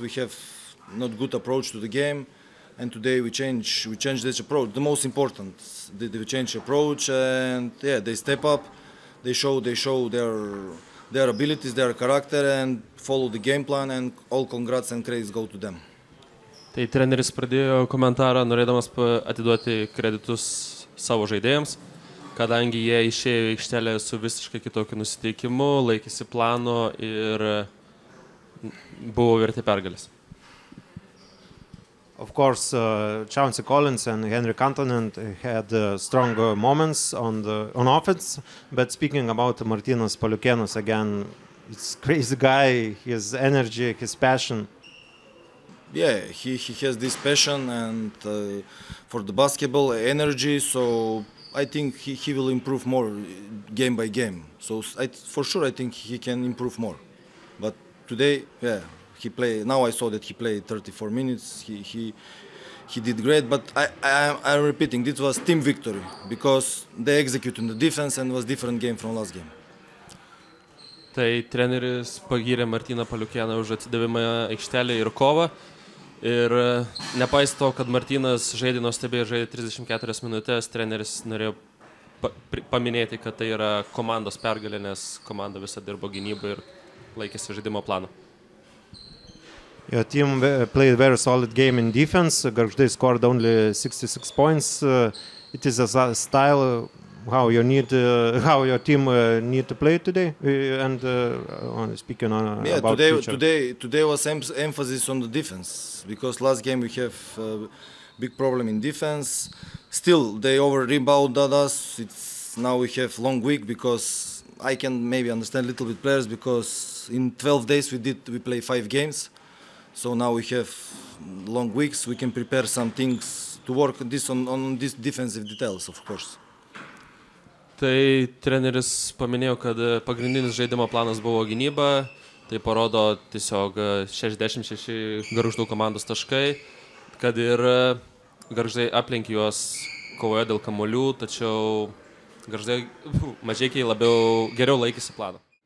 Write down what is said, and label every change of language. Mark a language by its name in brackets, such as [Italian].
[English] We have not good approach to the game, and today we change this approach. The most important, they change approach, and yeah, they step up. They show their abilities, their character, and follow the game plan. And all congrats and credits go to them. [Lithuanian] Tai treneris pradėjo komentarą, norėdamas atiduoti kreditus savo žaidėjams, kadangi jie išėjo aikštelę su visiškai kitokiu nusiteikimu, laikėsi plano ir buvo verti pergalės. [English] Of course, Chauncey Collins and Henrik Kantanen had strong moments on offense, but speaking about Martynas Paliukėnas again, it's crazy guy, his energy, his passion. Yeah, he has this passion and for the basketball energy, so I think he will improve more game by game. So I think he can improve more. But today, yeah, I saw that he played 34 minutes. He did great, but I'm repeating, this was team victory because they executed the defense and was different game from last game. [Lithuanian] Tai treneris pagyrė Martyną Paliukėną už atsidavimą aikštelėje ir kovą. Ir nepaisant to, kad Martynas žaidė nuostabiai, žaidė 34 minutės, treneris norėjo paminėti, kad tai yra komandos pergalė, nes komanda visą dirbo gynybą ir laikėsi žaidimo plano. [English] Your team played very solid game in defense. Gargždai scored only 66 points. It is a style how your team need to play today and speaking on yeah, about today future. today was emphasis on the defense, because last game we have a big problem in defense. Still they over rebounded us. It's now we have long week, because I can maybe understand a little bit players, because in 12 days we play 5 games, so now we have long weeks. We can prepare some things to work this on this defensive details, of course. [Lithuanian] Tai treneris paminėjo, kad pagrindinis žaidimo planas buvo gynyba. Tai parodo tiesiog 66 Gargždų komandos taškai, kad ir Gargždai aplenkė juos kovoje dėl kamuolių, tačiau Gargždai Mažeikiai geriau laikėsi plano.